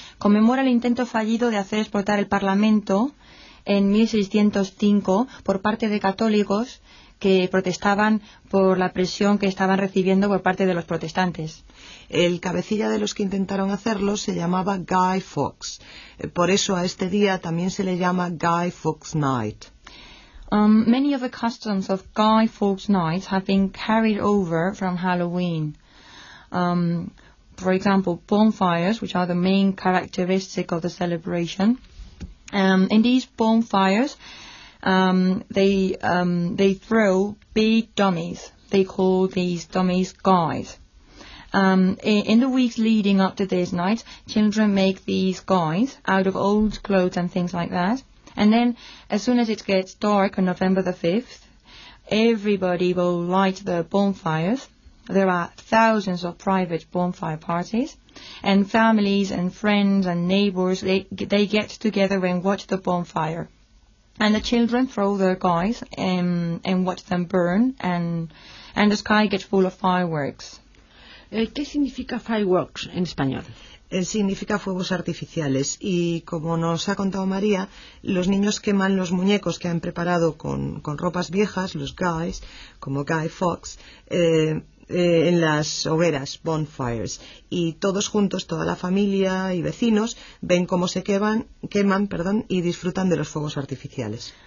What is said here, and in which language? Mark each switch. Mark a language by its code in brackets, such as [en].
[es] Conmemora el intento fallido de hacer explotar el Parlamento en 1605 por parte de católicos que protestaban por la presión que estaban recibiendo por parte de los protestantes. El cabecilla de los que intentaron hacerlo se llamaba Guy Fawkes. Por eso a este día también se le llama Guy Fawkes Night. [en] Many of the customs of Guy Fawkes Night have been carried over from Halloween. For example, bonfires, which are the main characteristic of the celebration. In these bonfires, they throw big dummies. They call these dummies guys. In the weeks leading up to this night, children make these guys out of old clothes and things like that. And then, as soon as it gets dark on November the 5th, everybody will light the bonfires. There are thousands of private bonfire parties. And families and friends and neighbors, they get together and watch the bonfire. And the children throw their guys and watch them burn, and the sky gets full of fireworks. [es] ¿Qué significa fireworks en español? Significa fuegos artificiales y, como nos ha contado María, los niños queman los muñecos que han preparado con ropas viejas, los guys, como Guy Fawkes, en las hogueras, bonfires, y todos juntos, toda la familia y vecinos, ven cómo se queman, y disfrutan de los fuegos artificiales.